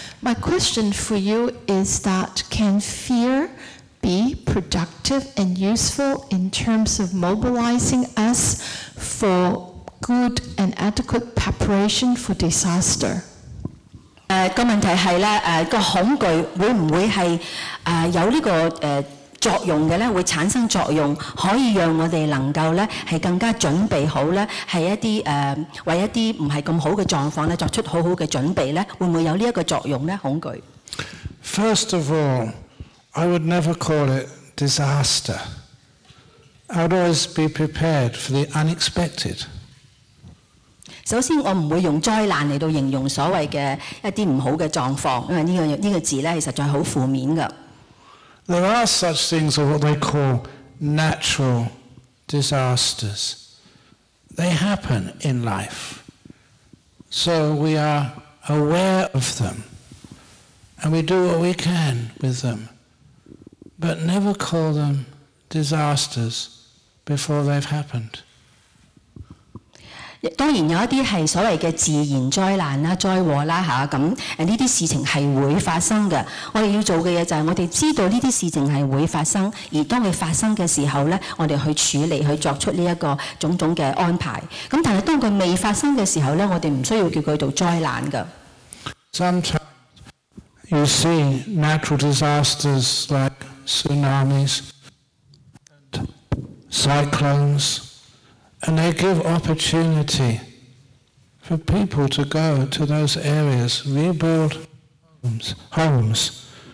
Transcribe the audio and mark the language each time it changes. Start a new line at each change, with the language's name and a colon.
English: My question for you is that can fear be productive and useful in terms of mobilizing us for good and adequate preparation for disaster?
Chinese: 問題是恐懼會不會是有這個作用的呢，會產生作用，可以讓我們能夠呢是更加準備好呢，是一些為一些不是那麼好的狀況呢作出好好的準備呢，會不會有這個作用呢？恐懼
English: First of all, I would never call it disaster. I would always be prepared for the unexpected.
Chinese: 首先我不會用災難來形容所謂的一些不好的狀況，因為這個字呢實在很負面的。
English: There are such things of what they call natural disasters. They happen in life. So we are aware of them. And we do what we can with them. But never call them disasters before they've happened.
Chinese: 當然有一些是所謂的自然災難、災禍，這些事情是會發生的。我們要做的就是我們知道這些事情是會發生，而當它發生的時候，我們去處理，去作出這個種種的安排。但是當它未發生的時候，我們不需要叫它做災難的。
English: Sometimes you see natural disasters like tsunamis and cyclones. And they give opportunity for people to go to those areas, rebuild homes.